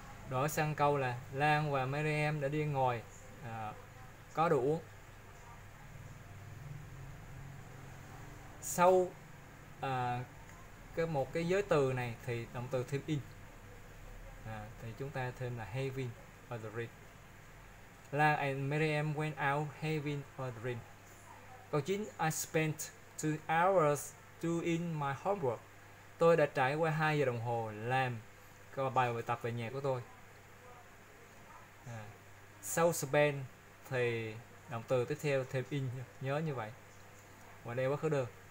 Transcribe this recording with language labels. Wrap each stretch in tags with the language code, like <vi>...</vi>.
<vi>Đổi sang câu là Lan và Maryam đã đi ngồi có đồ uống. Sau cái một cái giới từ này thì động từ thêm in thì chúng ta thêm là</vi> <en>having a drink. Lan and Maryam went out having a drink.</en> <vi>Câu 9.</vi> <en>I spent 2 hours doing my homework.</en> <vi>Tôi đã trải qua 2 giờ đồng hồ làm cái bài bài tập về nhà của tôi. Sau spend thì động từ tiếp theo thêm in, nhớ như vậy. Và đây quá khứ được.</vi>